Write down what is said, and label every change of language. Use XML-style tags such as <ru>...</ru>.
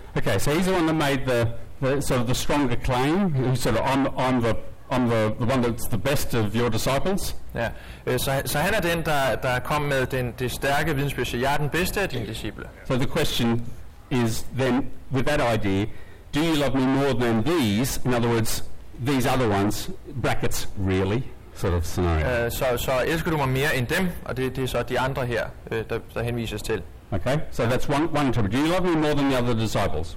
<en>Okay, so he's the one that made the sort of the stronger claim. He said I'm the one that's the best of your disciples. Yeah.</en> <da>So han er den der kom med det stærke vidensbyrd. Jeg er den bedste af dine disciple.</da> <en>So the question is then with that idea, do you love me more than these? In other words, these other ones, brackets, really, sort of scenario.</en> <da>So elsker du mig mere end dem? Og det er så de andre her, der henvises til.</da> <en>Okay, so that's one interpretation. Do you love me more than the other disciples?</en>